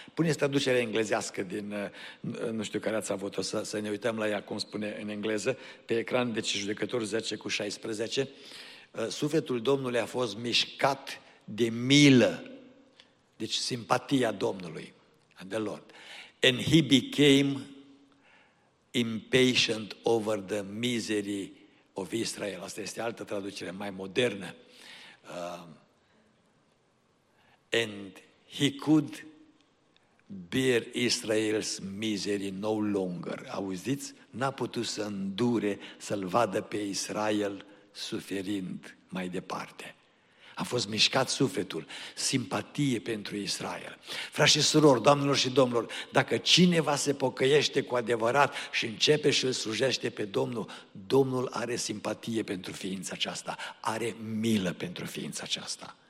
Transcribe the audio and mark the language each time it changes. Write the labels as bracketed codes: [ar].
[ro] Puneți traducerea englezească din, nu știu care ați avut-o, să ne uităm la ea, cum spune în engleză, pe ecran, deci judecători 10:16, sufletul Domnului a fost mișcat de milă, deci simpatia Domnului, [en] the Lord. And he became impatient over the misery of Israel. [ro] Asta este altă traducere, mai modernă. [en] And he could bear Israel's misery no longer. [ro] Auziți? N-a putut să îndure să-l vadă pe Israel suferind mai departe. A fost mișcat sufletul, simpatie pentru Israel. Frați și surori, doamnelor și domnilor, dacă cineva se pocăiește cu adevărat și începe și îl slujește pe Domnul, Domnul are simpatie pentru ființa aceasta, are milă pentru ființa aceasta.